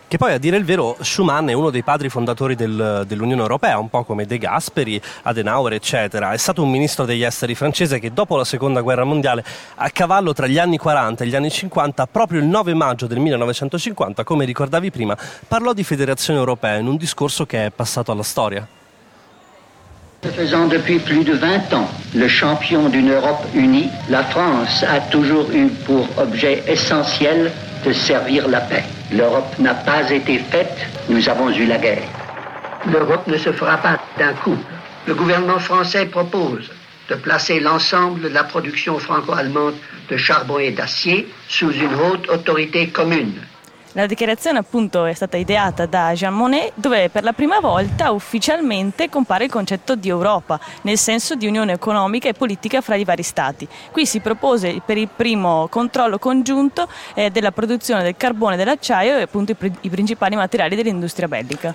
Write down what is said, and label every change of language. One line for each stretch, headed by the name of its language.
Italian: Che poi, a dire il vero, Schuman è uno dei padri fondatori dell'Unione Europea, un po' come De Gasperi, Adenauer, eccetera. È stato un ministro degli esteri francese che dopo la Seconda Guerra Mondiale, a cavallo tra gli anni 40 e gli anni 50, proprio il 9 maggio del 1950, come ricordavi prima, parlò di Federazione Europea in un discorso che è passato alla storia.
French: Faisant depuis plus de 20 ans le champion d'une Europe unie, la France a toujours eu pour objet essentiel de servir la paix. L'Europe n'a pas été faite, nous avons eu la guerre. L'Europe ne se fera pas d'un coup. Le gouvernement français propose de placer l'ensemble de la production franco-allemande de charbon et d'acier sous une haute autorité commune.
Italian: La dichiarazione appunto è stata ideata da Jean Monnet, dove per la prima volta ufficialmente compare il concetto di Europa, nel senso di unione economica e politica fra i vari stati. Qui si propose per il primo controllo congiunto della produzione del carbone e dell'acciaio e appunto i principali materiali dell'industria bellica.